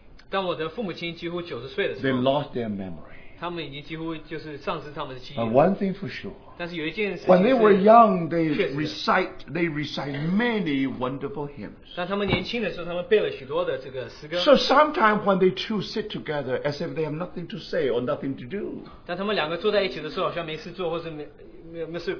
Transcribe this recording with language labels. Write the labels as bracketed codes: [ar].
[zh] 当我的父母亲几乎90岁的时候, [en] they lost their memory. [zh] 他们已经几乎就是丧失他们的记忆. [en] But one thing for sure, [zh] 但是有一件事情是, [en] when they were young, they recite many wonderful hymns. [zh] 但他们年轻的时候, 他们背了许多的这个诗歌. [en] So sometimes when they two sit together as if they have nothing to say or nothing to do, [zh] 但他们两个坐在一起的时候, 好像没事做, 或是没, 没有事,